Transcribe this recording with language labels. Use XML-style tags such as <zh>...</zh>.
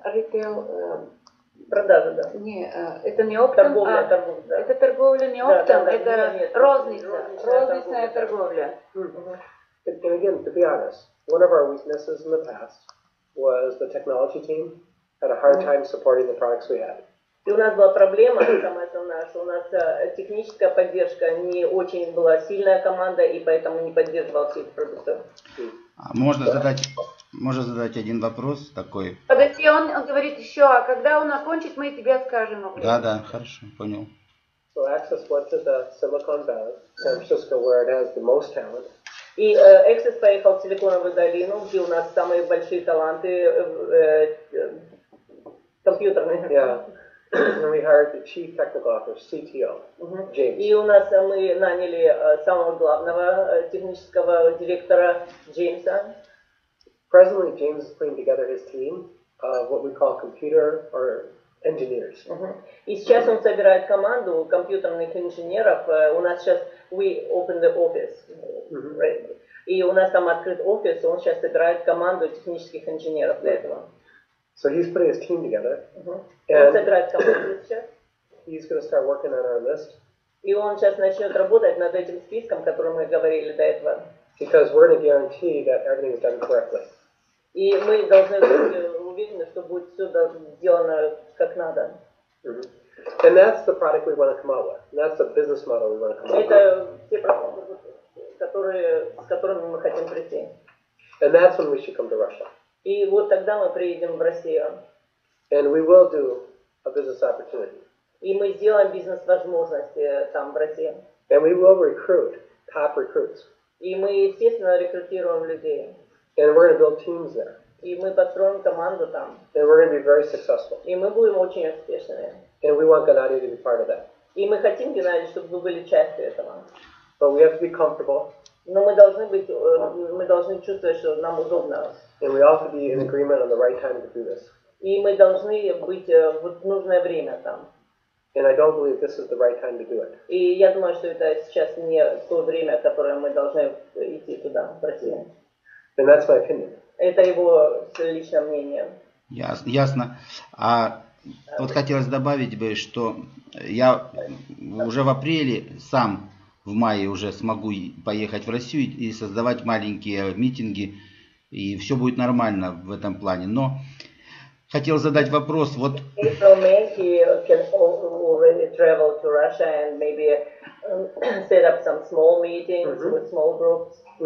<en>Retail.</en> <ru>Продажа, да. Не, это не оптом, торговля, а торговля, да. Это торговля не оптом, это розница. Розничная торговля.</ru> <en>And again, to be honest, one of our weaknesses in the past was the technology team had a hard time supporting the products we had.</en> <ru>И у нас была проблема, самая основная, что у нас техническая поддержка не очень была сильная команда, и поэтому не поддерживала все эти продукты. Можно задать один вопрос такой. Подожди, он говорит еще, а когда он окончит, мы тебе скажем. Да, да, хорошо, понял.</ru> <en>So Access went to the Silicon Valley, San Francisco, where it has the most talent.</en> <ru>И Access поехал в Силиконовую долину, где у нас самые большие таланты компьютерные.</ru> <en>Yeah. And we hired the chief technical officer, CTO, James.</en> <ru>И у нас мы наняли самого главного технического директора Джеймса.</ru> <en>Presently, James is putting together his team of what we call computer or engineers.</en> <ru>И сейчас он собирает команду компьютерных инженеров. У нас сейчас</ru> <en>we open the office, right?</en> <ru>И у нас там открыт офис. Он сейчас собирает команду технических инженеров для этого.</ru> <en>So he's putting his team together.</en> <ru>Он собирает команду сейчас.</ru> <en>He's going to start working on our list.</en> <ru>И он сейчас начнет работать над этим списком, которым мы говорили до этого.</ru> <en>Because we're going to guarantee that everything is done correctly.</en> <ru>И мы должны быть уверены, что будет все сделано как надо.</ru> <en>And that's the product we want to come out with. That's the business model we want to come out with.</en> <ru>Это те продукты, с которыми мы хотим прийти.</ru> <en>And that's when we should come to Russia.</en> <ru>И вот тогда мы приедем в Россию.</ru> <en>And we will do a business opportunity.</en> <ru>И мы сделаем бизнес-возможность там в России.</ru> <en>And we will recruit top recruits.</en> <ru>И мы, естественно, рекрутируем людей.</ru> <en>And we're going to build teams there.</en> <ru>И мы построим команду там.</ru> <en>And we're going to be very successful.</en> <ru>И мы будем очень успешными.</ru> <en>And we want Gennady to be part of that.</en> <ru>И мы хотим, Геннадий, чтобы вы были частью этого.</ru> <en>But we have to be comfortable.</en> <ru>Но мы должны быть, мы должны чувствовать, что нам удобно.</ru> <en>And we all have to be in agreement on the right time to do this.</en> <ru>И мы должны быть в нужное время там.</ru> <en>And I don't believe this is the right time to do it.</en> <ru>И я думаю, что это сейчас не то время, которое мы должны идти туда, в Россию.</ru> <en>And that's my opinion.</en> <ru>Это его личное мнение. Ясно. А вот хотелось добавить бы, что я уже в апреле сам в мае уже смогу поехать в Россию и создавать маленькие митинги, и все будет нормально в этом плане. Но хотел задать вопрос. Вот.</ru> <en>April, May, he can already travel to Russia and maybe set up some small meetings with small groups.</en>